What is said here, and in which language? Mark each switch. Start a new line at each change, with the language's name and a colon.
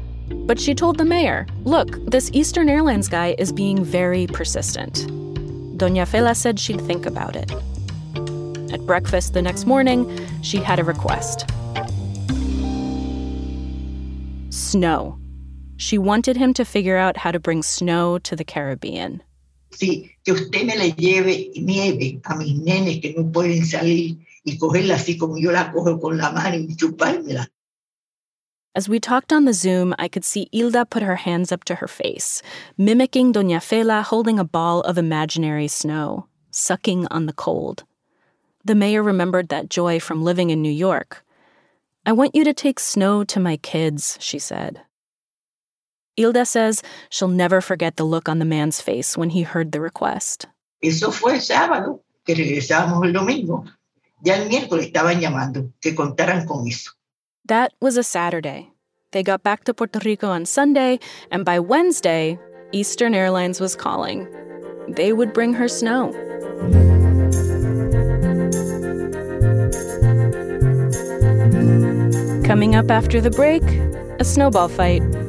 English: But she told the mayor, look, this Eastern Airlines guy is being very persistent. Doña Fela said she'd think about it. At breakfast the next morning, she had a request. Snow. She wanted him to figure out how to bring snow to the Caribbean.
Spanish: Sí, que usted me le lleve nieve a mis nenes que no pueden salir y cogerla así como yo la cojo con la mano y chupármela.
English: As we talked on the Zoom, I could see Hilda put her hands up to her face, mimicking Doña Fela holding a ball of imaginary snow, sucking on the cold. The mayor remembered that joy from living in New York. I want you to take snow to my kids, she said. Hilda says she'll never forget the look on the man's face when he heard the request.
Spanish: Eso fue sábado, que regresábamos el domingo. Ya el miércoles estaban llamando, que contaran con eso.
English: That was a Saturday. They got back to Puerto Rico on Sunday, and by Wednesday, Eastern Airlines was calling. They would bring her snow. Coming up after the break, a snowball fight.